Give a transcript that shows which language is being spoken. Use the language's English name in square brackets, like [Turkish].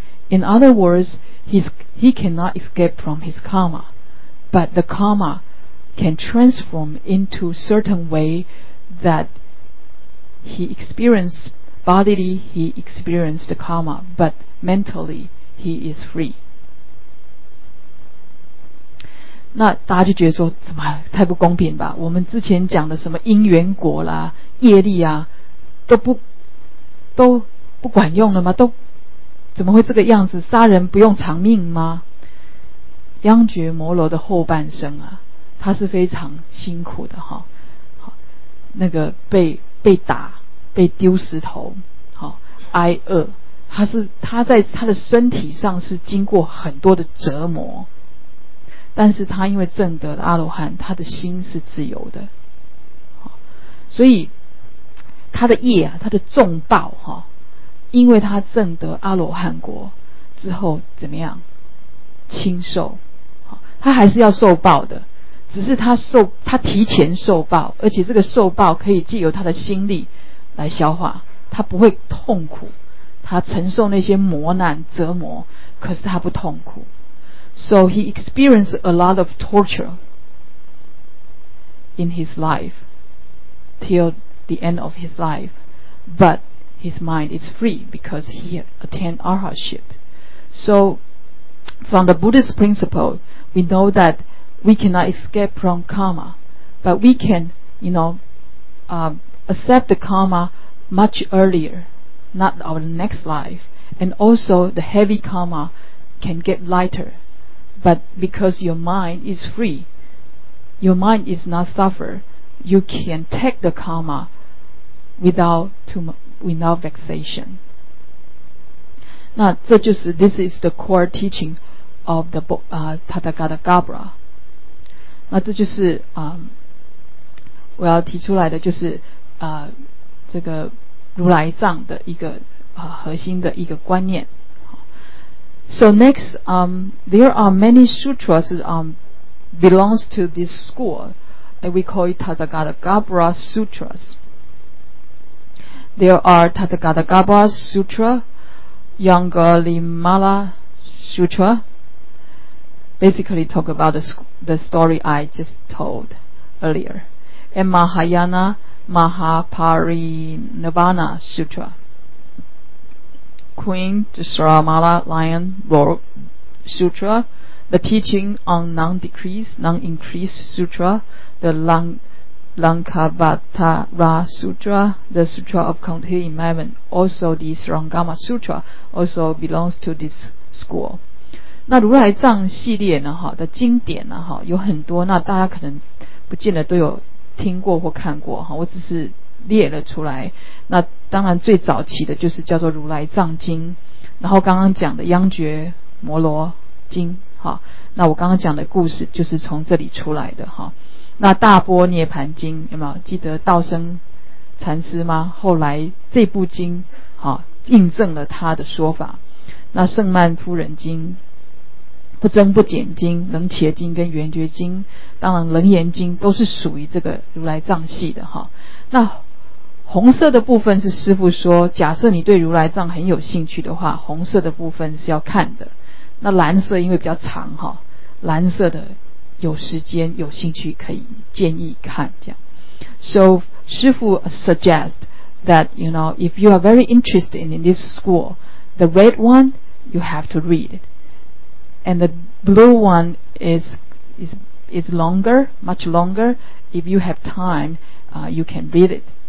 [English] In other words, he cannot escape from his karma, but the karma can transform into certain way that he experienced bodily, he experienced the karma, but mentally he is free. [Chinese] 那大家就觉得说，什么太不公平吧？我们之前讲的什么因缘果啦、业力啊，都不管用了吗？都怎么会这个样子？杀人不用偿命吗？央觉摩罗的后半生啊，他是非常辛苦的哈。那个被打、被丢石头，好挨饿，他在他的身体上是经过很多的折磨。但是他因为证得了阿罗汉，他的心是自由的，所以他的业啊，他的重报哈，因为他证得阿罗汉果之后怎么样，轻受，他还是要受报的，只是他提前受报，而且这个受报可以藉由他的心力来消化，他不会痛苦，他承受那些磨难折磨，可是他不痛苦。 [English] So he experienced a lot of torture in his life till the end of his life, but his mind is free because he attained arhatship. So from the Buddhist principle, we know that we cannot escape from karma, but we can, you know, accept the karma much earlier, not our next life, and also the heavy karma can get lighter. But because your mind is free, your mind is not suffer, you can take the karma without vexation. [Chinese] 那这就是 [English] this is the core teaching of the Tathagata Gabra. [Chinese] 那这就是我要提出来的，就是这个如来藏的一个核心的一个观念。 [English] So next, there are many sutras belongs to this school, and we call it Tathagata Gabra sutras. There are Tathagata Gabra sutra, Yangalimala sutra. Basically, talk about the story I just told earlier, and Mahayana Mahaparinibbana sutra. Queen Dasaramala Lion Roar Sutra, the teaching on non-decrease, non-increase Sutra, the Lankavatara Sutra, the Sutra of Continued Enlightenment, also the Sarangama Sutra, also belongs to this school. [Chinese] 那如来藏系列呢的经典呢有很多，那大家可能不见得都有听过或看过，我只是列了出来。那当然最早期的就是叫做如来藏经，然后刚刚讲的央觉摩罗经，那我刚刚讲的故事就是从这里出来的。那大波涅盘经有没有记得道生禅师吗？后来这部经印证了他的说法。那圣曼夫人经、不增不减经、楞伽经跟圆觉经，当然楞严经都是属于这个如来藏系的。那红色的部分是师父说，假设你对如来藏很有兴趣的话，红色的部分是要看的。那蓝色因为比较长，蓝色的有时间有兴趣可以建议看这样。 [English] So 师父 suggest that you know if you are very interested in this school, the red one you have to read it, and the blue one is longer, much longer. If you have time, you can read it.